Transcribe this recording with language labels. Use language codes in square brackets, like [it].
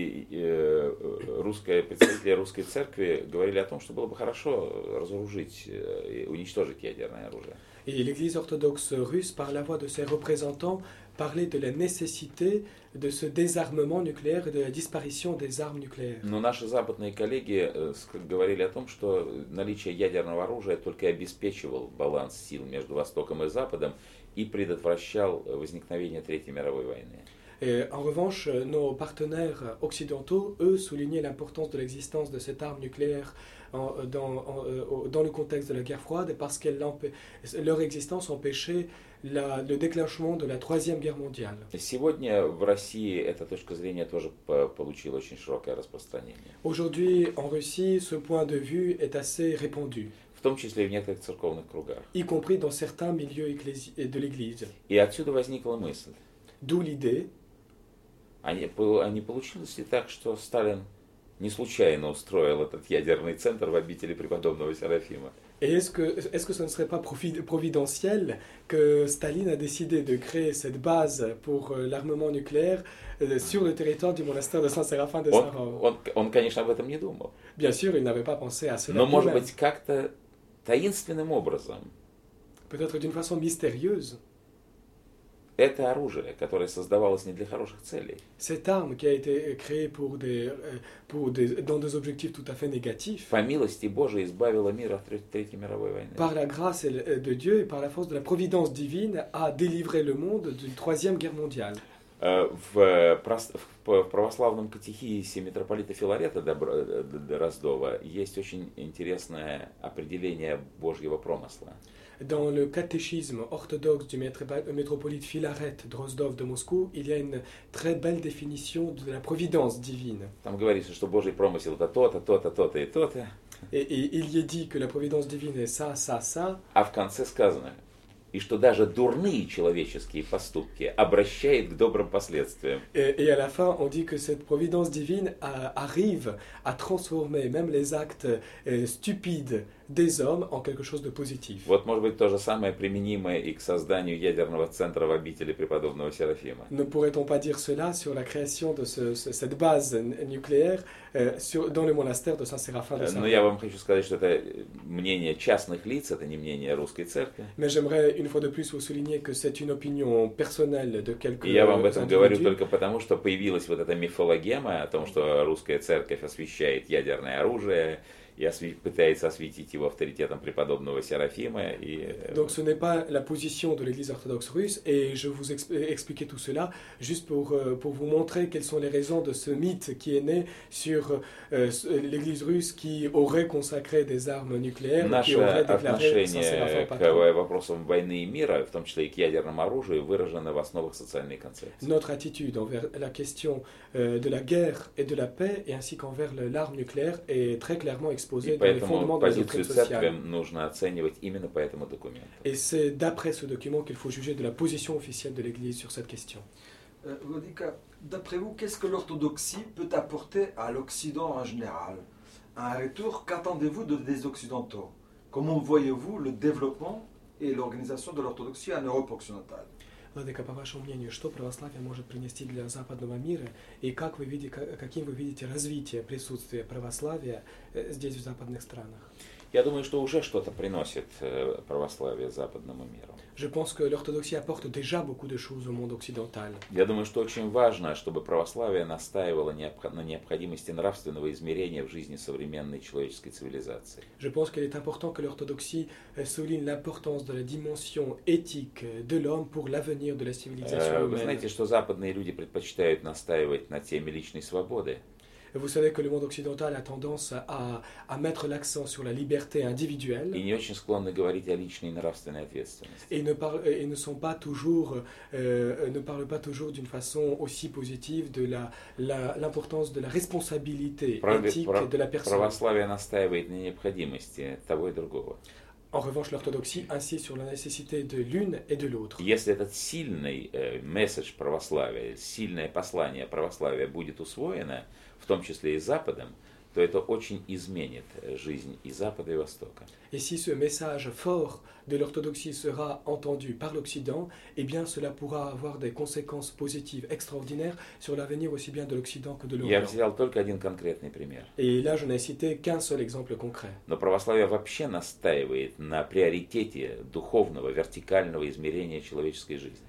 [ru] Представители русской церкви говорили о том, что было бы хорошо разоружить и уничтожить ядерное оружие. [fr] Et l'Église orthodoxe russe, par la voix de ses représentants, parlait de la nécessité de ce désarmement nucléaire et de la disparition des armes nucléaires. [ru] Но наши западные коллеги говорили о том, что наличие ядерного оружия только обеспечивал баланс сил между Востоком и Западом и предотвращал возникновение Третьей мировой войны. [fr] Et en revanche, nos partenaires occidentaux, eux, soulignaient l'importance de l'existence de cette arme nucléaire dans le contexte de la guerre froide parce que leur existence empêchait le déclenchement de la Troisième Guerre mondiale. [ru] Сегодня в России эта точка зрения тоже получила очень широкое распространение. [fr] Aujourd'hui, en Russie, ce point de vue est assez répandu. [ru] В том числе и в некоторых церковных кругах. [fr] Y compris dans certains milieux de l'Église. [ru] И отсюда возникла мысль. [fr] D'où l'idée. [ru] А не получилось ли так, что Сталин не случайно устроил этот ядерный центр в обители преподобного Серафима? [fr] Et est-ce que ce ne serait pas providentiel que Staline a décidé de créer cette base pour l'armement nucléaire sur le territoire du monastère de Saint-Séraphin de Sarov? [ru] Он, конечно, об этом не думал. [fr] Bien sûr, il n'avait pas pensé à cela. [ru] Но, может быть, как-то таинственным образом. [fr] Peut-être d'une façon mystérieuse. [ru] Это оружие, которое создавалось не для хороших целей. [fr] Cette arme qui a été créée dans des objectifs tout à fait négatifs. [ru] По милости Божией избавила мир от Третьей мировой войны. [fr] Par la grâce de Dieu et par la force de la providence divine a délivré le monde d'une troisième guerre mondiale. [ru] В православном катехизисе митрополита Филарета Дроздова есть очень интересное определение Божьего промысла. [fr] Dans le catéchisme orthodoxe du métropolite Philaret Drozdov de Moscou, il y a une très belle définition de la providence divine. [ru] Там говорится, что Божий промысел это то-то, то-то, то-то и то-то. [fr] Et il y est dit que la providence divine est ça, ça, ça. [ru] А в конце сказано, и что даже дурные человеческие поступки обращает к добрым последствиям. [fr] Et à la fin, on dit que cette providence divine arrive à transformer même les actes stupides des hommes en quelque chose de positif. [ru] Вот, может быть, то же самое применимо и к созданию ядерного центра в обители преподобного Серафима. [fr] Ne pourrait-on pas dire cela sur la création de cette base nucléaire dans le monastère de Saint-Séraphin de Sarov? [ru] Но я вам хочу сказать, что это мнение частных лиц, это не мнение русской церкви. [fr] Mais j'aimerais une fois de plus, vous soulignez que c'est une opinion personnelle de quelques individus. [ru] Я вам об этом говорю только потому, что появилась вот эта мифологема о том, что русская церковь освящает ядерное оружие и пытается осветить его авторитетом преподобного Серафима. И... [fr] Donc ce n'est pas la position de l'Église orthodoxe russe, et je vous expliquais tout cela juste pour vous montrer quelles sont les raisons de ce mythe qui est né sur l'Église russe qui aurait consacré des armes nucléaires, [ru] Наше [fr] qui aurait déclaré [ru] отношение к вопросам войны и мира, в том числе и к ядерному оружию, выражено в основах социальной концепции. [fr] Notre attitude envers la question de la guerre et de la paix, et ainsi qu'envers l'arme nucléaire, est très clairement exposé dans les fondements de la doctrine sociale. [ru] Нужно оценивать именно по этому документу. [fr] Et c'est d'après ce document qu'il faut juger de la position officielle de l'Église sur cette question. Vladika, d'après vous, qu'est-ce que l'orthodoxie peut apporter à l'Occident en général? Un retour, qu'attendez-vous des Occidentaux? Comment voyez-vous le développement et l'organisation de l'orthodoxie en Europe occidentale? [ru] Владика, по вашему мнению, что православие может принести для западного мира, и как вы видите, каким вы видите развитие присутствия православия здесь, в западных странах? Я думаю, что уже что-то приносит православие западному миру. [fr] Je pense que l'orthodoxie apporte déjà beaucoup de choses au monde occidental. [ru] Я думаю, что очень важно, чтобы православие настаивало на необходимости нравственного измерения в жизни современной человеческой цивилизации. [fr] Je pense qu'il est important que l'orthodoxie souligne l'importance de la dimension éthique de l'homme pour l'avenir de la civilisation humaine. [ru] Вы знаете, что западные люди предпочитают настаивать на теме личной свободы. [fr] Vous savez que le monde occidental a tendance à mettre l'accent sur la liberté individuelle. [ru] И не очень склонны говорить о личной нравственной ответственности. [fr] Ne parlent pas toujours d'une façon aussi positive de l'importance de la responsabilité éthique de la personne. [ru] Православие настаивает на необходимости того и другого. [fr] En revanche, l'orthodoxie insiste sur la nécessité de l'une et de l'autre. [ru] Если этот сильный месседж православия, сильное послание православия будет усвоено, в том числе и Западом, то это очень изменит жизнь и Запада, и Востока. [fr] Et si ce message fort de l'orthodoxie sera entendu par l'Occident, eh bien cela pourra avoir des conséquences positives extraordinaires sur l'avenir aussi bien de l'Occident que de l'Europe. [ru] Я взял только один конкретный пример. [fr] Et là je n'ai cité qu'un seul exemple concret. [ru] Но православие вообще настаивает на приоритете духовного вертикального измерения человеческой жизни.